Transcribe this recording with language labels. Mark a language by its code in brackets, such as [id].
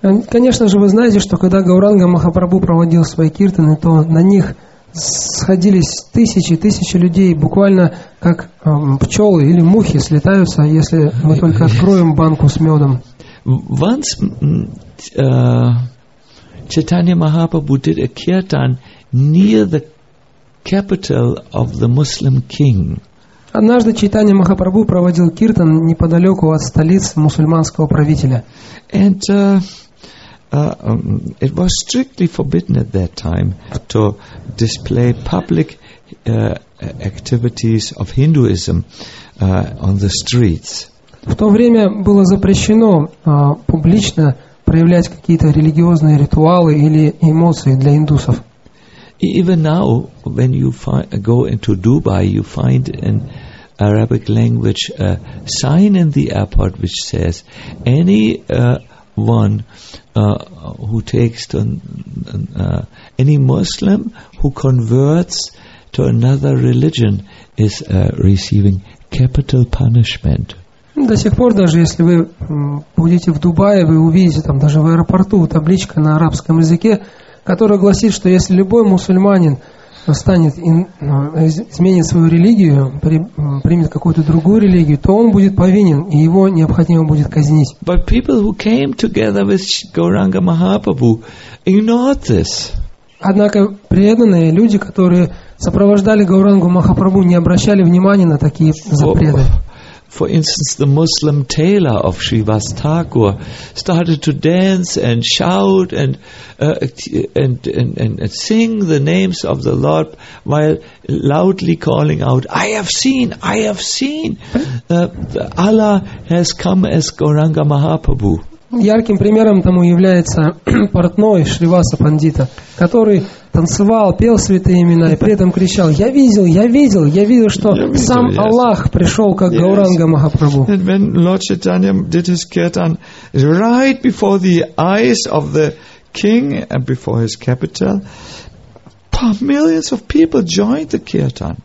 [ru] Конечно же, вы знаете, что когда Гауранга Махапрабху проводил свои киртаны, то на них сходились тысячи и тысячи людей, буквально как пчелы или мухи слетаются, если мы только откроем банку с медом. [en] Once Chaitanya Mahaprabhu did a kirtan near the capital of the Muslim king. [ru] Однажды Чайтанья Махапрабху проводил киртан неподалеку от столиц мусульманского правителя. [en] And it was strictly forbidden at that time to display public activities of Hinduism on the streets. [ru] В то время было запрещено публично проявлять какие-то религиозные ритуалы или эмоции для индусов. [en] Even now, when you go into Dubai, you find in Arabic language a sign in the airport which says, "Any one who takes to any Muslim who converts to another religion is receiving capital punishment." [ru] До сих пор, даже если вы будете в Дубае, вы увидите там даже в аэропорту табличка на арабском языке, которая гласит, что если любой мусульманин изменит свою религию, примет какую-то другую религию, то он будет повинен, и его необходимо будет казнить. [en] But people who came together with Gauranga Mahaprabhu ignored this. [ru] Однако преданные люди, которые сопровождали Гаурангу Махапрабху, не обращали внимания на такие запреты. [en] For instance, the Muslim tailor of Srivast Thakur started to dance and shout and sing the names of the Lord while loudly calling out, I have seen, Allah has come as Gauranga Mahaprabhu. [ru] Ярким примером тому является портной Шриваса Пандита, который танцевал, пел святые имена и при этом кричал: «Я видел, я видел, я видел, что сам Аллах пришел, как Гауранга Махапрабху». И когда Лорд Чайтанья делал свой киртан, [en] right before the eyes of the king and before his capital, millions of people joined the kirtan.